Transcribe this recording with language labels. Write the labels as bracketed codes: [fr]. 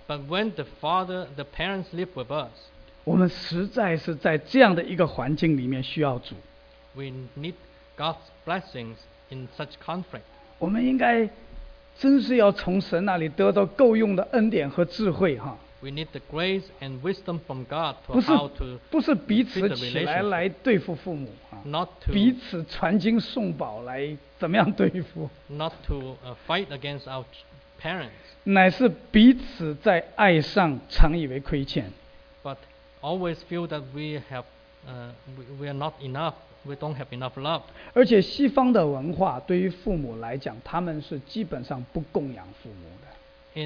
[en] But when the parents live with us [zh] 我们实在是在这样的一个环境里面需要主 [en] We need God's blessings in such conflict [zh] 我们应该真是要从神那里得到够用的恩典和智慧哈。 [en] We need the grace and wisdom from God to how to [zh] 不是彼此起来来对付父母啊。 [en] Not to [zh] 彼此传经送宝来怎么样对付。 [en] Not to fight against our parents. [zh] 乃是彼此在爱上常以为亏欠。 [en] But always feel that we are not enough. We don't have enough love. [zh] 而且西方的文化对于父母来讲，他们是基本上不供养父母的。